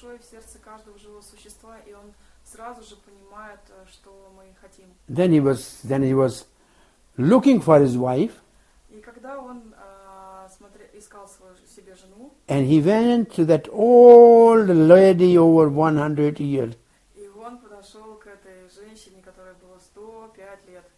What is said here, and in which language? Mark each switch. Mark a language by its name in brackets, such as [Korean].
[Russian] Сердце каждого живого существа, и он сразу же понимает, что мы хотим. [English] Then he was looking for his wife. [Russian] И когда он искал себе жену. [English] And he went to that old lady over 100 years. [Russian] И он подошел к этой женщине, которая была 105 лет.